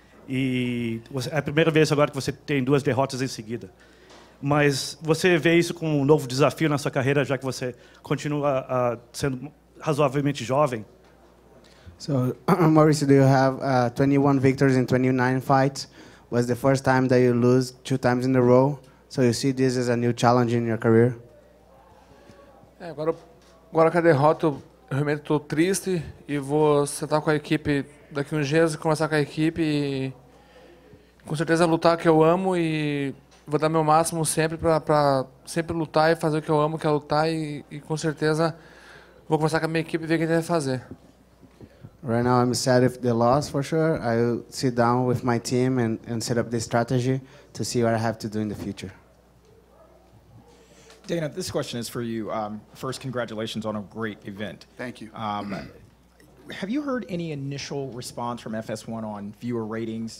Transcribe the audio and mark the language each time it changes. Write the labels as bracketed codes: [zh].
[pt] E você, é a primeira vez agora que você tem 2 derrotas em seguida. Mas você vê isso como um novo desafio na sua carreira, já que você continua sendo razoavelmente jovem? [en] So, Maurício, do you have 21 victories in 29 fights? was the first time that you lose two times in a row. So you see this as a new challenge in your career? [pt] É, agora com a derrota, eu realmente estou triste e vou sentar com a equipe daqui uns dias e conversar com a equipe e com certeza lutar que eu amo e vou dar meu máximo sempre para sempre lutar e fazer o que eu amo, que é lutar e com certeza vou conversar com a minha equipe e ver o que a gente vai fazer. [en] Right now I'm sad with the loss for sure. I'll sit down with my team and set up the strategy to see what I have to do in the future. Dana, this question is for you. First, congratulations on a great event. Thank you. Have you heard any initial response from FS1 on viewer ratings?